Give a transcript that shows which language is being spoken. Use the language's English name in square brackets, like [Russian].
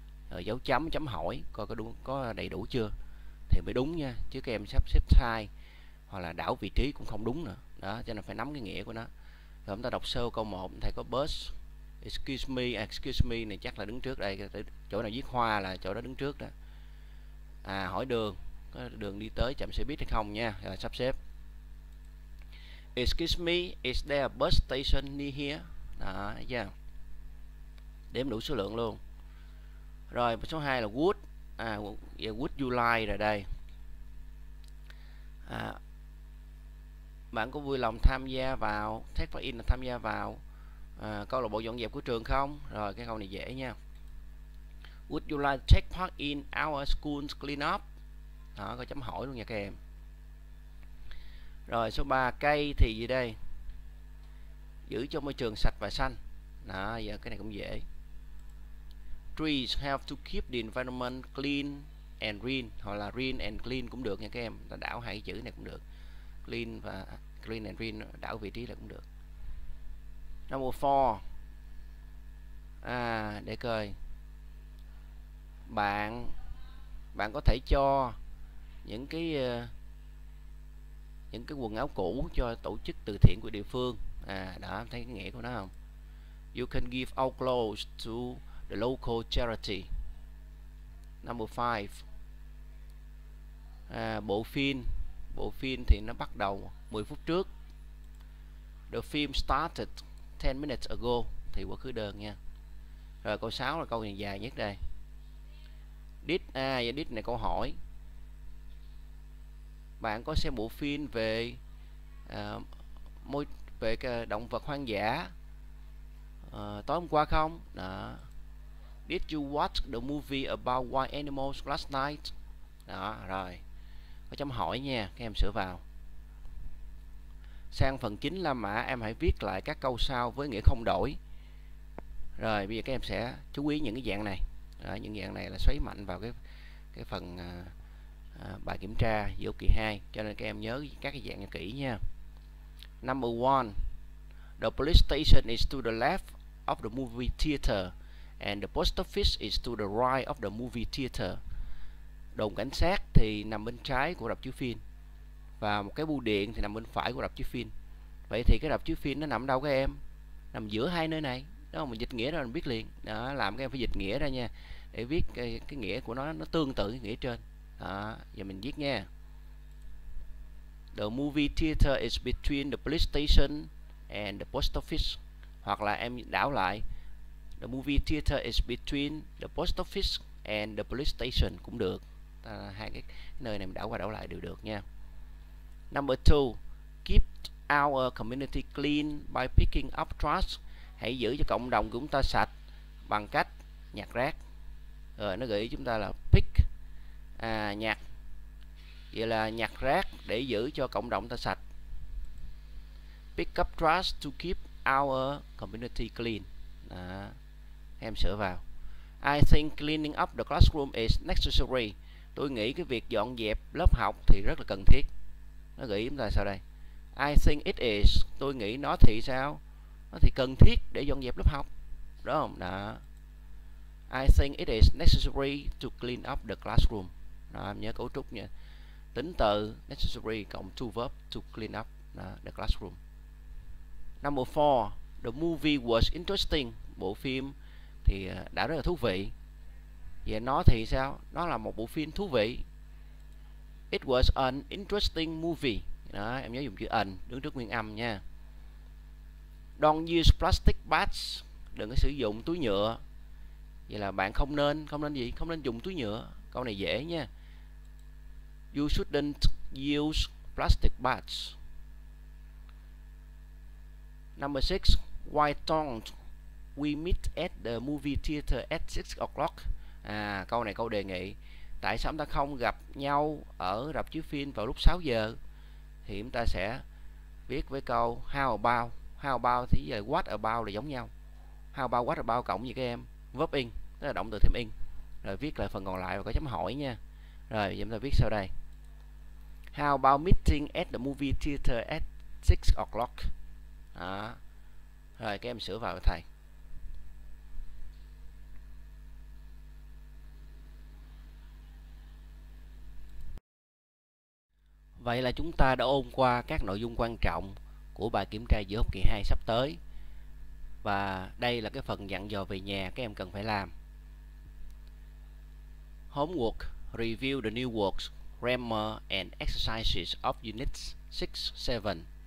[Vietnamese] Rồi dấu chấm, chấm hỏi coi có đúng, có đầy đủ chưa thì mới đúng nha, chứ các em sắp xếp sai hoặc là đảo vị trí cũng không đúng nữa. Đó, cho nên phải nắm cái nghĩa của nó. Rồi chúng ta đọc sơ câu 1, thầy có bus. [English] Excuse me, excuse me [Vietnamese] này chắc là đứng trước đây. Chỗ nào viết hoa là chỗ đó đứng trước đó. À, hỏi đường, có đường đi tới chạm xe buýt hay không nha. Rồi sắp xếp. [English] Excuse me, is there a bus station near here? [Vietnamese] Đó, yeah. Đếm đủ số lượng luôn. Rồi, số 2 là would. [English] À, yeah, would you like [Vietnamese] rồi đây. À, bạn có vui lòng tham gia vào, [English] take part in [Vietnamese] là tham gia vào câu lạc bộ dọn dẹp của trường không? Rồi cái câu này dễ nha. [English] Would you like to take part in our school's clean up? [Vietnamese] Đó, có chấm hỏi luôn nha các em. Rồi số 3, cây thì gì đây? Giữ cho môi trường sạch và xanh. Đó, giờ cái này cũng dễ. [English] Trees help to keep the environment clean and green. [Vietnamese] Hoặc là green and clean cũng được nha các em. Đảo hai cái chữ này cũng được. Clean và green and green đảo vị trí là cũng được. [English] Number 4. [Vietnamese] À, để coi. Bạn có thể cho những cái quần áo cũ cho tổ chức từ thiện của địa phương. À, đó, thấy cái nghĩa của nó không? [English] You can give our clothes to the local charity. Number 5. [Vietnamese] Bộ phim thì nó bắt đầu 10 phút trước. [English] The film started 10 minutes ago [Vietnamese] thì quá khứ đơn nha. Rồi câu 6 là câu này dài nhất đây. Did này câu hỏi. Bạn có xem bộ phim về về động vật hoang dã tối hôm qua không? Đó. [English] Did you watch the movie about wild animals last night? [Vietnamese] Đó, rồi. Có chấm hỏi nha, các em sửa vào. Sang phần 9 La Mã, em hãy viết lại các câu sau với nghĩa không đổi. Rồi, bây giờ các em sẽ chú ý những cái dạng này. Rồi, những dạng này là xoáy mạnh vào cái phần bài kiểm tra giữa kỳ 2. Cho nên các em nhớ các cái dạng kỹ nha. [English] Number 1. The police station is to the left of the movie theater. And the post office is to the right of the movie theater. [Vietnamese] Đồn cảnh sát thì nằm bên trái của rạp chiếu phim. Và một cái bưu điện thì nằm bên phải của rạp chiếu phim. Vậy thì cái rạp chiếu phim nó nằm đâu các em? Nằm giữa hai nơi này. Đó, mình dịch nghĩa ra mình biết liền. Đó, làm các em phải dịch nghĩa ra nha. Để viết cái nghĩa của nó tương tự cái nghĩa trên. Đó, giờ mình viết nha. [English] The movie theater is between the police station and the post office. [Vietnamese] Hoặc là em đảo lại. [English] The movie theater is between the post office and the police station [Vietnamese] cũng được. Hai cái nơi này mình đảo qua đảo lại đều được nha. [English] Number 2. Keep our community clean by picking up trash. [Vietnamese] Hãy giữ cho cộng đồng của chúng ta sạch bằng cách nhặt rác. Rồi nó gợi ý chúng ta là pick, nhặt. Vậy là nhặt rác để giữ cho cộng đồng ta sạch. [English] pick up trash to keep our community clean. [Vietnamese] Đó. Em sửa vào. [English] I think cleaning up the classroom is necessary. [Vietnamese] Tôi nghĩ cái việc dọn dẹp lớp học thì rất là cần thiết. Nó gợi ý chúng ta sao đây? [English] I think it is. [Vietnamese] Tôi nghĩ nó thì sao? Nó thì cần thiết để dọn dẹp lớp học. Đúng không? Đó. [English] I think it is necessary to clean up the classroom. [Vietnamese] Đó, nhớ cấu trúc nha. Tính từ necessary cộng two verb [English] to clean up the classroom. Number 4, the movie was interesting. [Vietnamese] Bộ phim thì đã rất là thú vị. Vậy nó thì sao? Nó là một bộ phim thú vị. [English] It was an interesting movie. [Vietnamese] Đó, em nhớ dùng chữ an đứng trước nguyên âm nha. [English] Don't use plastic bags. [Vietnamese] Đừng có sử dụng túi nhựa. Vậy là bạn không nên gì? Không nên dùng túi nhựa. Câu này dễ nha. [English] You shouldn't use plastic bags. Number 6, why don't we meet at the movie theater at 6 o'clock? [Vietnamese] À, câu này câu đề nghị. Tại sao chúng ta không gặp nhau ở rạp chiếu phim vào lúc 6 giờ? Thì chúng ta sẽ viết với câu how about. How about thì giờ what about là giống nhau. [English] How about what about [Vietnamese] cộng gì các em? Verb in, tức là động từ thêm in. Rồi viết lại phần còn lại và có chấm hỏi nha. Rồi, giờ chúng ta viết sau đây. [English] How about meeting at the movie theater at 6 o'clock? [Vietnamese] Đó. Rồi, các em sửa vào với thầy. Vậy là chúng ta đã ôn qua các nội dung quan trọng của bài kiểm tra giữa học kỳ 2 sắp tới. Và đây là cái phần dặn dò về nhà các em cần phải làm. [English] Homework. Review the new works, grammar and exercises of units 6-7.